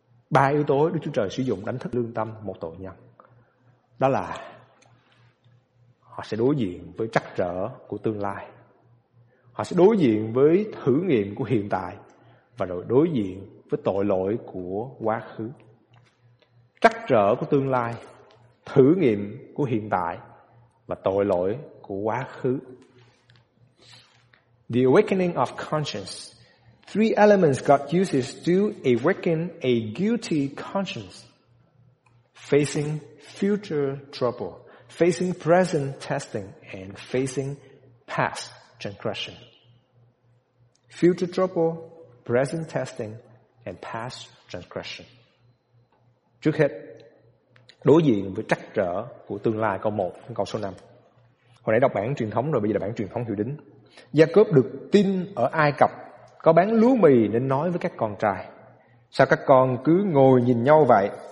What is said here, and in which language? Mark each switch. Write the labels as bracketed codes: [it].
[vi] Ba yếu tố Đức Chúa Trời sử dụng đánh thức lương tâm một tội nhân, đó là họ sẽ đối diện với trắc trở của tương lai, họ sẽ đối diện với thử nghiệm của hiện tại, và rồi đối diện với tội lỗi của quá khứ. Trắc trở của tương lai, thử nghiệm của hiện tại và tội lỗi của quá khứ. [en] The awakening of conscience. Three elements God uses to awaken a guilty conscience. Facing future trouble, facing present testing, and facing past transgression. Future trouble, present testing, and past transgression. [vi] Trước hết, đối diện với trắc trở của tương lai, câu 1, câu số 5. Hồi nãy đọc bản truyền thống rồi, bây giờ là bản truyền thống Hiệu Đính. Gia-cốp được tin ở Ai Cập có bán lúa mì nên nói với các con trai: sao các con cứ ngồi nhìn nhau vậy?